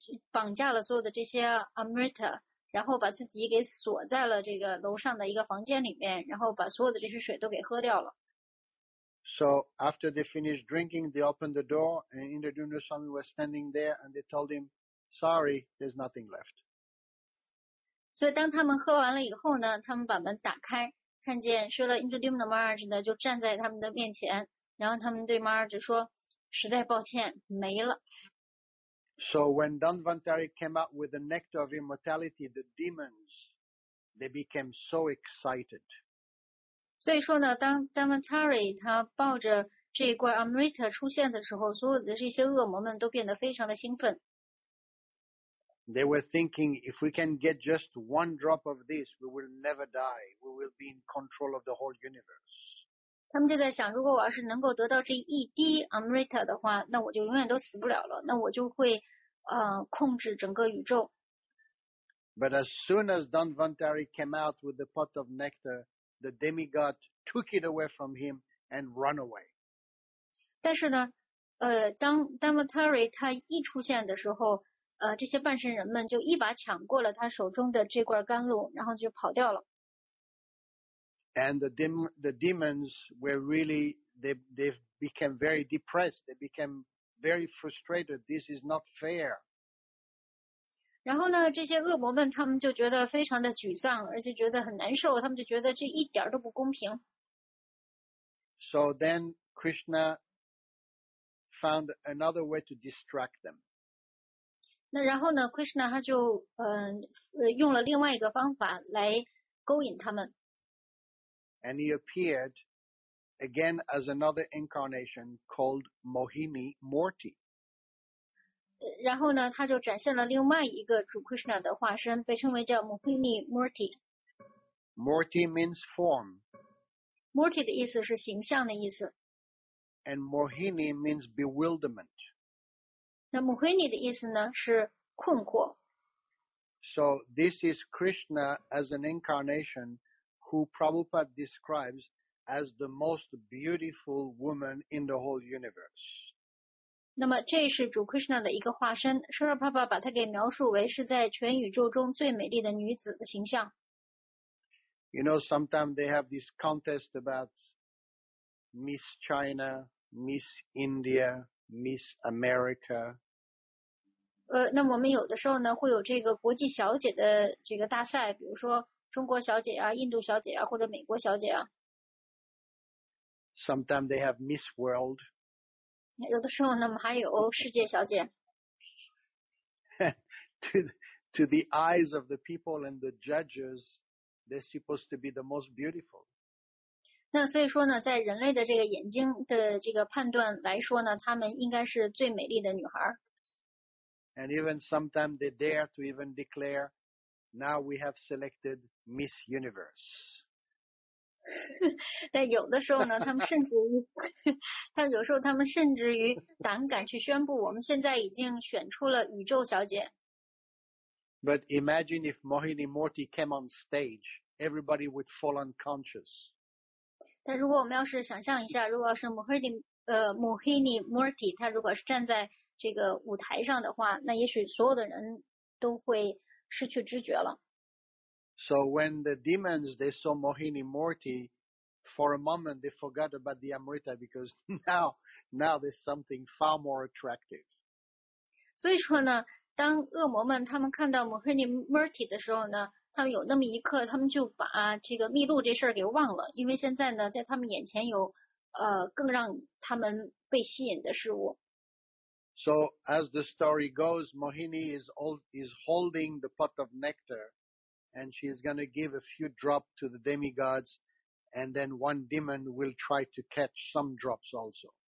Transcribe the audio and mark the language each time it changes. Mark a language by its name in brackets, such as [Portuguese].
[Chinese] 绑架了所有的这些 Amrita， 然后把自己给锁在了这个楼上的一个房间里面，然后把所有的这些水都给喝掉了。 [English] So after they finished drinking, they opened the door, and Indradyumna Swami was standing there, and they told him, "Sorry, there's nothing left." [Chinese] 所以当他们喝完了以后呢，他们把门打开，看见说了 Indradyumna Maharaj 呢就站在他们的面前，然后他们对 Maharaj 说，实在抱歉，没了。 [English] So when Dhanvantari came out with the nectar of immortality, the demons, they became so excited. [Chinese] 所以说呢，当 Dhanvantari 他抱着这一罐 Amrita 出现的时候，所有的这些恶魔们都变得非常的兴奋。 [English] They were thinking, if we can get just one drop of this, we will never die. We will be in control of the whole universe. [Chinese] 他们就在想，如果我要是能够得到这一滴 Amrita 的话，那我就永远都死不了了，那我就会控制整个宇宙。 [English] But as soon as Dhanvantari came out with the pot of nectar, the demigod took it away from him and ran away. [Chinese] 但是呢，当 Dhanvantari 他一出现的时候，这些半神人们就一把抢过了他手中的这罐甘露，然后就跑掉了。 [English] And the demons were really, they became very depressed. They became very frustrated. This is not fair. [Chinese] 然后呢，这些恶魔们他们就觉得非常的沮丧，而且觉得很难受。他们就觉得这一点都不公平。 [English] So then Krishna found another way to distract them. [Chinese] 那然后呢 ，Krishna 他就用了另外一个方法来勾引他们。 [English] And he appeared again as another incarnation called Mohini Murti. [Chinese] 然后呢，他就展现了另外一个主 Krishna 的化身，被称为叫 Mohini Murti. [English] Murti means form. [Chinese] Murti 的意思是形象的意思。 [English] And Mohini means bewilderment. [Chinese] 那 Mohini 的意思呢是困惑。 [English] So this is Krishna as an incarnation. Who Prabhupada describes as the most beautiful woman in the whole universe. [Chinese] 那么这是主 Krishna 的一个化身，舍尔帕帕把它给描述为是在全宇宙中最美丽的女子的形象。 [English] You know, sometimes they have this contest about Miss China, Miss India, Miss America. [Chinese] 那我们有的时候呢会有这个国际小姐的这个大赛，比如说。中国小姐啊，印度小姐啊，或者美国小姐啊。 [English] Sometimes they have Miss World. [Chinese] 有的时候呢，还有世界小姐。 [English] To the eyes of the people and the judges, they're supposed to be the most beautiful. [Chinese] 那所以说呢，在人类的这个眼睛的这个判断来说呢，她们应该是最美丽的女孩。 [English] And even sometimes they dare to even declare. Now we have selected Miss Universe. [Chinese] 但有的时候呢，他们甚至于，但有时候他们甚至于胆敢去宣布，我们现在已经选出了宇宙小姐。 [English] But imagine if Mohini Murti came on stage, everybody would fall unconscious. [Chinese] 但如果我们要是想象一下，如果是 Mohini Murti， 他如果是站在这个舞台上的话，那也许所有的人都会。失去知觉了。 [English] So when the demons they saw Mohini Murti, for a moment they forgot about the Amrita because now there's something far more attractive. [Chinese] 所以说呢，当恶魔们他们看到 Mohini Murti 的时候呢，他们有那么一刻，他们就把这个秘录这事儿给忘了，因为现在呢，在他们眼前有更让他们被吸引的事物。 [English] So as the story goes, Mohini is holding the pot of nectar, and she is going to give a few drops to the demigods, and then one demon will try to catch some drops also.